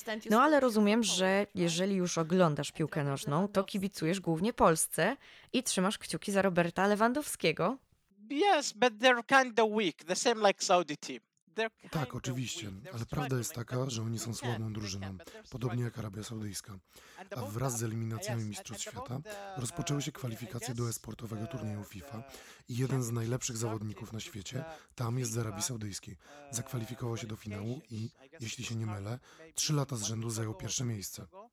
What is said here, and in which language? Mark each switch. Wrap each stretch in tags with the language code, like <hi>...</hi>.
<pl>No ale rozumiem, że jeżeli już oglądasz piłkę nożną, to kibicujesz głównie Polsce i trzymasz kciuki za Roberta Lewandowskiego.</pl> <en>Yes, but they're kind of weak, the same like Saudi team.</en> <pl>Tak, oczywiście, ale prawda jest taka, że oni są słabą drużyną, podobnie jak Arabia Saudyjska. A wraz z eliminacjami Mistrzostw Świata rozpoczęły się kwalifikacje do e-sportowego turnieju FIFA i jeden z najlepszych zawodników na świecie tam jest z Arabii Saudyjskiej. Zakwalifikował się do finału i, jeśli się nie mylę, 3 lata z rzędu zajął pierwsze miejsce.</pl>